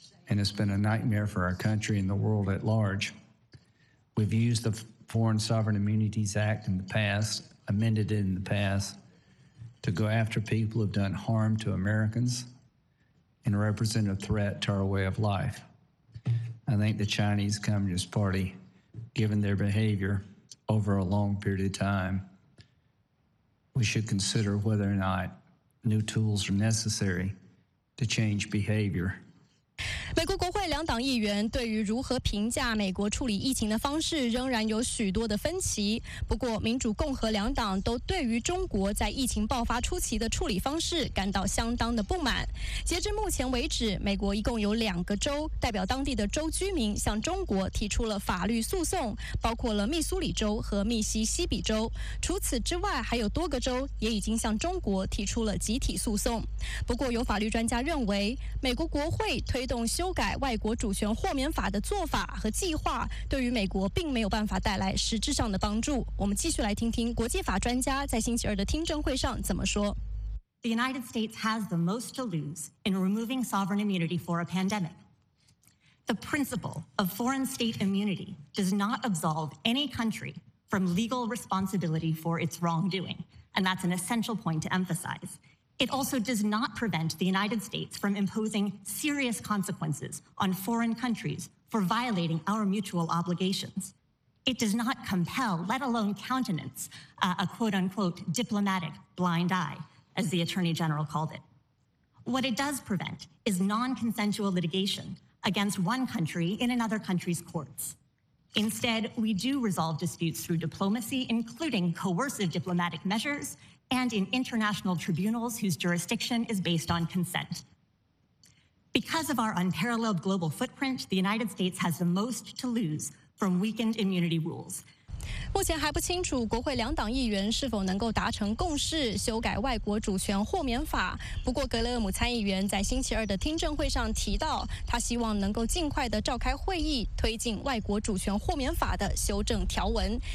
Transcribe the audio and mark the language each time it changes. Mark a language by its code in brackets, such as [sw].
[en] And it's been a nightmare for our country and the world at large. We've used the Foreign Sovereign Immunities Act in the past, amended it in the past, to go after people who've done harm to Americans and represent a threat to our way of life. I think the Chinese Communist Party, given their behavior over a long period of time,We should consider whether or not new tools are necessary to change behavior. [zh] 美国国会两党议员对于如何评价美国处理疫情的方式仍然有许多的分歧。不过，民主共和两党都对于中国在疫情爆发初期的处理方式感到相当的不满。截至目前为止，美国一共有两个州代表当地的州居民向中国提出了法律诉讼，包括了密苏里州和密西西比州。除此之外，还有多个州也已经向中国提出了集体诉讼。不过，有法律专家认为，美国国会推动修改外国主权豁免法的做法和计划对于美国并没有办法带来实质上的帮助。我们继续来听听国际法专家在星期二的听证会上怎么说。 [en] The United States has the most to lose in removing sovereign immunity for a pandemic. The principle of foreign state immunity does not absolve any country from legal responsibility for its wrongdoing, and that's an essential point to emphasize. It also does not prevent the United States from imposing serious consequences on foreign countries for violating our mutual obligations. It does not compel, let alone countenance, a quote-unquote diplomatic blind eye, as the Attorney General called it. What it does prevent is non-consensual litigation against one country in another country's courts. Instead, we do resolve disputes through diplomacy, including coercive diplomatic measures,and in international tribunals whose jurisdiction is based on consent. Because of our unparalleled global footprint, the United States has the most to lose from weakened immunity rules. [zh] 目前还不清楚国会两党议员是否能够达成共识修改外国主权豁免法，不过格雷厄姆参议员在星期二的听证会上提到，他希望能够尽快的召开会议推进外国主权豁免法的修正条文。